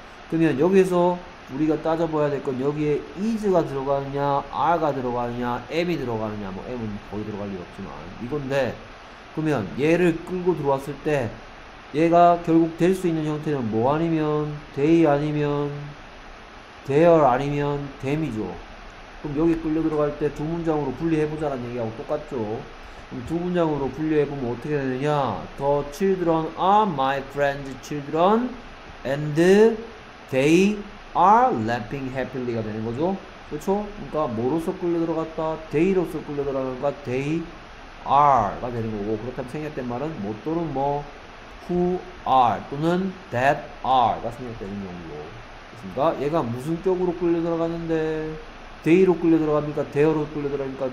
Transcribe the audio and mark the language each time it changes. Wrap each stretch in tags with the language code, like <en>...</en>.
<ko>그러면 여기서 우리가 따져봐야 될건 여기에 is가 들어가느냐, are가 들어가느냐, am이 들어가느냐, 뭐 am은 거의 들어갈 일 없지만 이건데, 그러면 얘를 끌고 들어왔을 때 얘가 결국 될수 있는 형태는 뭐 아니면 they 아니면 there 아니면 them이죠. 그럼 여기 끌려 들어갈 때두 문장으로 분리해보자는 얘기하고 똑같죠. 그럼 두 문장으로 분리해보면 어떻게 되느냐?</ko> <en>The children are my friend's children and they are laughing happily가</en> <ko>되는 거죠. 그렇죠? 그러니까 뭐로서 끌려 들어갔다? they로서 끌려 들어간가? they are가 되는 거고, 그렇다면 생략된 말은 뭐 또는 뭐 who are 또는 that are가 생략되는 경우고. 그렇습니까? 얘가 무슨 격으로 끌려 들어갔는데 they로 끌려 들어갑니까? they로 끌려 들어갑니까?</ko>